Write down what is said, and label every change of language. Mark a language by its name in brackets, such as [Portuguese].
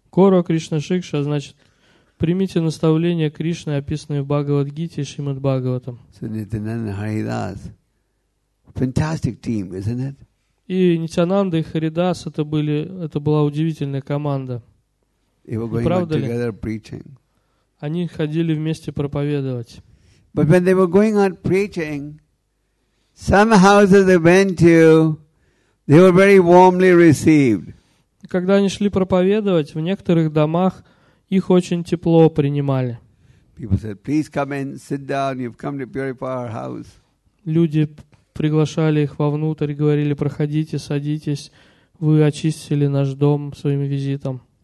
[Russian] Koro Krishna Siksha значит примите наставления Кришны, описанные в Bhagavad Gita и Shrimad Bhagavatam. [English] So Nityananda Haridas. Fantastic team, isn't it? [Russian] И Нитянанда и Харидас это были, это была удивительная команда. [English] They were going out together preaching. [Russian] Они ходили вместе проповедовать. [English] But when they were going out preaching, some houses they went to, they were very warmly received. [Russian] Когда они шли проповедовать, в некоторых домах их очень тепло принимали. [English] People said, "Please come in, sit down. You've come to purify our house." [Russian] Люди приглашали их вовнутрь, говорили, проходите, садитесь, вы очистили наш дом своим визитом.